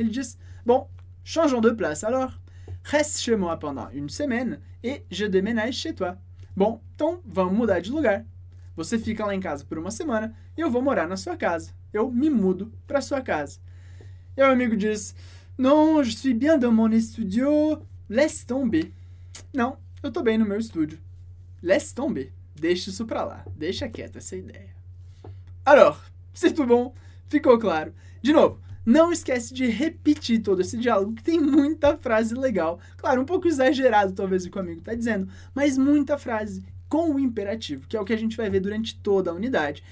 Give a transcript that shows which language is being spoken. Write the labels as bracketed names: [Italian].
[Portuguese] Ele diz, [French] bon, changeons de place alors. Reste chez moi pendant une semaine et je déménage chez toi. [Portuguese] Bom, então vamos mudar de lugar. Você fica lá em casa por uma semana e eu vou morar na sua casa. Eu me mudo para sua casa. E o amigo diz, [French] non, je suis bien dans mon studio. Laisse tomber. [Portuguese] Não, eu tô bem no meu estúdio. [French] Laisse tomber. [Portuguese] Deixa isso para lá. Deixa quieta essa ideia. [French] Alors, c'est tout bon? [Portuguese] Ficou claro. De novo. Não esquece de repetir todo esse diálogo, que tem muita frase legal. Claro, um pouco exagerado, talvez, o que o amigo está dizendo, mas muita frase com o imperativo, que é o que a gente vai ver durante toda a unidade.